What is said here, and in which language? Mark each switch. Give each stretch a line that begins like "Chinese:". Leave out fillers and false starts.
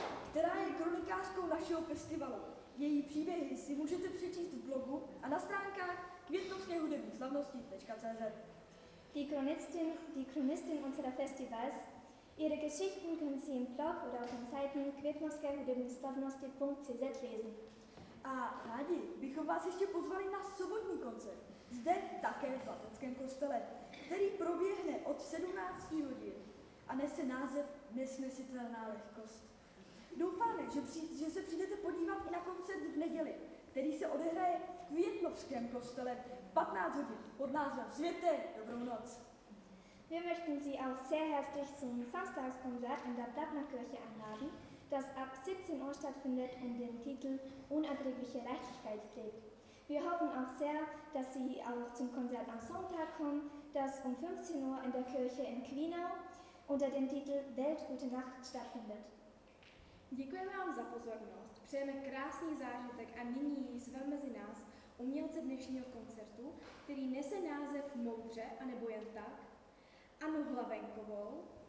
Czech: Která je kronikářkou našeho festivalu. Její příběhy si můžete přečíst v blogu a na stránkách květnovskehudebnyslavnosti.cz.
German: Die Chronistin unserer Festivals, ihre Geschichten können Sie im Blog oder auf den Seiten květnovskehudebnyslavnosti.cz lesen.
Czech: A rádi bychom vás ještě pozvali na sobotní koncert, zde také v Bateckém kostele, který proběhne od 17 hodin a nese název Nesnesitelná lehkost. Doufáme, že se přijdete podívat i na koncert v neděli, který se odehraje v Květnovském kostele v 15 hodin pod názvem Světe, dobrou noc.
German: Wir möchten Sie auch sehr herzlich zum Samstagskonzert in der Plattner Kirche einladen, das ab 17 Uhr stattfindet und den Titel Unerträgliche Leichtigkeit trägt. Wir hoffen auch sehr, dass Sie auch zum Konzert am Sonntag kommen, das um 15 Uhr in der Kirche in Kwinau unter dem Titel Weltgute Nacht stattfindet.
Czech: Děkujeme vám za pozornost, přejeme krásný zážitek a nyní jsme mezi nás umělce dnešního koncertu, který nese název Moudře a nebo jen tak, Anu Hlavenkovou.